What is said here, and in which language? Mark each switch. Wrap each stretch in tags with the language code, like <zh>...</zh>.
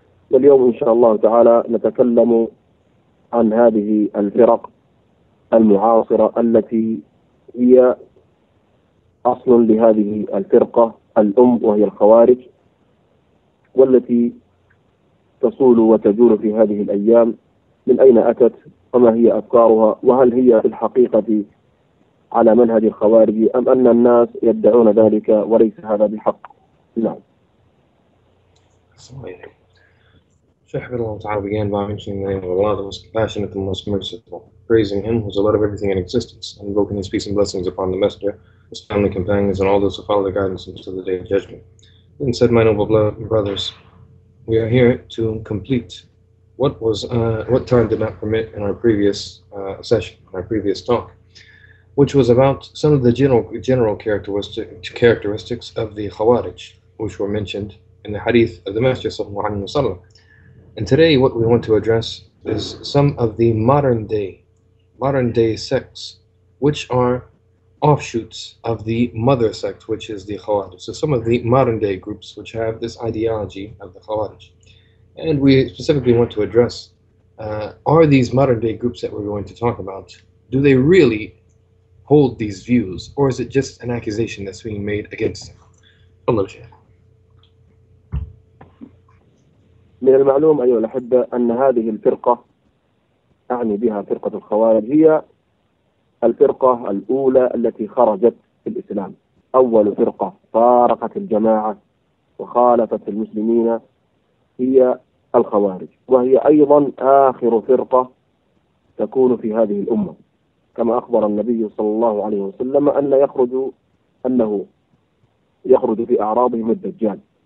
<ar>واليوم إن شاء الله تعالى نتكلم عن هذه الفرق المعاصرة التي هي أصل لهذه الفرقة الأم، وهي الخوارج، والتي تصول وتجول في هذه الأيام. من أين أتت؟ وما هي أفكارها؟ وهل هي في الحقيقة على منهج الخوارج، أم أن الناس يدعون ذلك وليس هذا بحق؟ نعم.</ar> <en>Shaykh Abdullah Ta'ala began by mentioning the name of Allah, the most compassionate, the most merciful, praising Him, who is the Lord of everything in existence, and invoking His peace and blessings upon the Messenger, His family companions, and all those who follow the guidance until the Day of Judgment. Then said, My noble brothers, we are here to complete what was what time did not permit in our previous session, in our previous talk, which was about some of the general characteristics of the Khawarij, which were mentioned in the Hadith of the Messenger Sallallahu Alaihi Wasallam. And today what we want to address is some of the modern day sects, which are offshoots of the mother sect, which is the Khawarij. So some of the modern day groups which have this ideology of the Khawarij. And we specifically want to address, are these modern day groups that we're going to talk about, do they really hold these views, or is it just an accusation that's being made against them? Allah Jaya.</en> <ar>من المعلوم أيها الأحبة أن هذه الفرقة، أعني بها فرقة الخوارج، هي الفرقة الأولى التي خرجت في الإسلام، أول فرقة فارقت الجماعة وخالفت المسلمين هي الخوارج، وهي أيضا آخر فرقة تكون في هذه الأمة، كما أخبر النبي صلى الله عليه وسلم أنه يخرج في أعراضهم الدجال.</ar>